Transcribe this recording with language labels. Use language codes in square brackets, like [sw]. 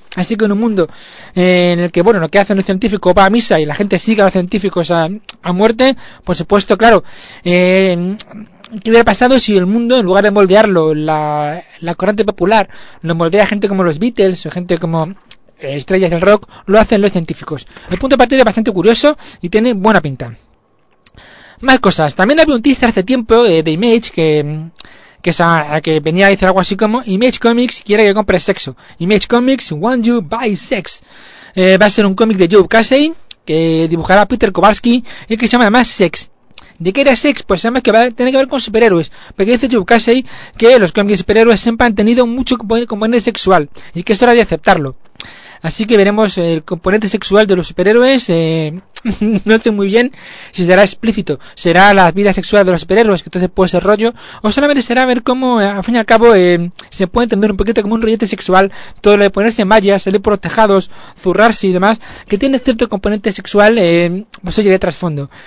[es] Así que en un mundo en el que, bueno, lo que hacen los científicos va a misa y la gente sigue a los científicos a muerte, por supuesto, claro, ¿qué hubiera pasado si el mundo, en lugar de moldearlo la corriente popular, lo moldea gente como los Beatles o gente como estrellas del rock? Lo hacen los científicos. El punto de partida es bastante curioso y tiene buena pinta. Más cosas, también había un teaser hace tiempo de Image que venía a decir algo así como: Image Comics quiere que compres sexo. [en] Image Comics want you buy sex. [es] Va a ser un cómic de Joe Casey que dibujará Peter Kowalski y que se llama además Sex. ¿De qué era Sex? Pues sabemos que va a tener que ver con superhéroes, porque dice Joe Casey que los cómics de superhéroes siempre han tenido mucho componente sexual y que es hora de aceptarlo. Así que veremos el componente sexual de los superhéroes. No sé muy bien si será explícito, será la vida sexual de los superhéroes, que entonces puede ser rollo, o solamente será ver cómo, al fin y al cabo, se puede entender un poquito como un rollete sexual todo lo de ponerse mallas, salir por los tejados, zurrarse y demás, que tiene cierto componente sexual, pues oye, de trasfondo.